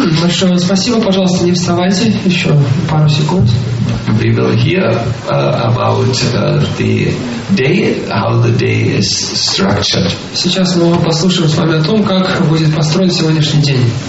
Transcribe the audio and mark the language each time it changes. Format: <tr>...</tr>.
<ru>Большое спасибо, пожалуйста, не вставайте еще пару секунд.</ru> <en>We will hear about the day, how the day is structured.</en> <ru>Сейчас мы послушаем с вами о том, как будет построен сегодняшний день.</ru>